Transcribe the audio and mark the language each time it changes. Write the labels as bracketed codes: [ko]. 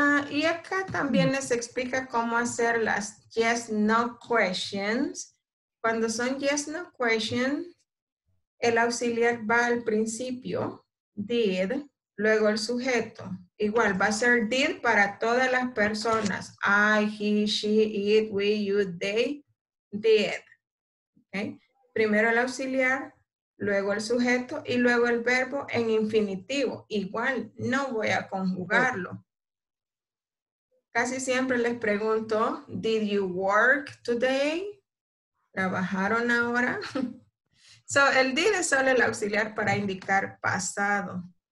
[es] Y acá también les explica cómo hacer las [en] yes, no questions. [es] Cuando son [en] yes, no questions, [es] el auxiliar va al principio, did, luego el sujeto. Igual, va a ser did para todas las personas. [en] I, he, she, it, we, you, they, did. Okay. [es] Primero el auxiliar, luego el sujeto y luego el verbo en infinitivo. Igual, no voy a conjugarlo. Casi siempre les pregunto, [en] did you work today? [es] ¿Trabajaron ahora? So, el did es solo el auxiliar para indicar pasado.